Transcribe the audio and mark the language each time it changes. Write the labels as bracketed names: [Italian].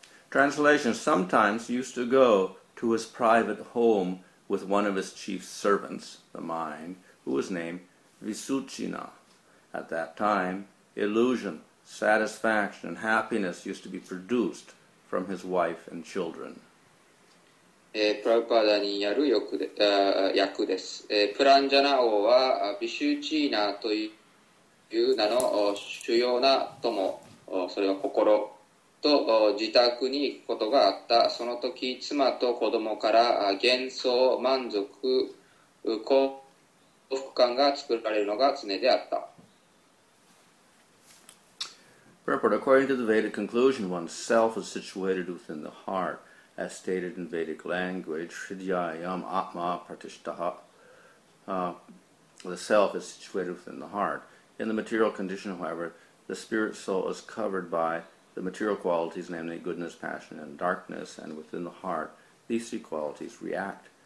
[English] Translation: Sometimes used to go to his private home with one of his chief servants, the mind, who was named Visuchina. At that time, illusion, satisfaction, and happiness used to be produced from his wife and children. [Japanese] プラヴパーダにやる役です。プランジャナ王はビシュチーナという。という名の主要な友、それは心と自宅に行くことがあった。その時妻と子供から幻想、満足、幸福感が作られるのが常であった。 [English] Purport. According to the Vedic conclusion, one's self is situated within the heart. As stated in Vedic language, [Sanskrit] Hridyayam Atma Pratishtah. [English] The self is situated within the heart. In the material condition, however, the spirit soul is covered by the material qualities, namely goodness, passion, and darkness, and within the heart, these three qualities react.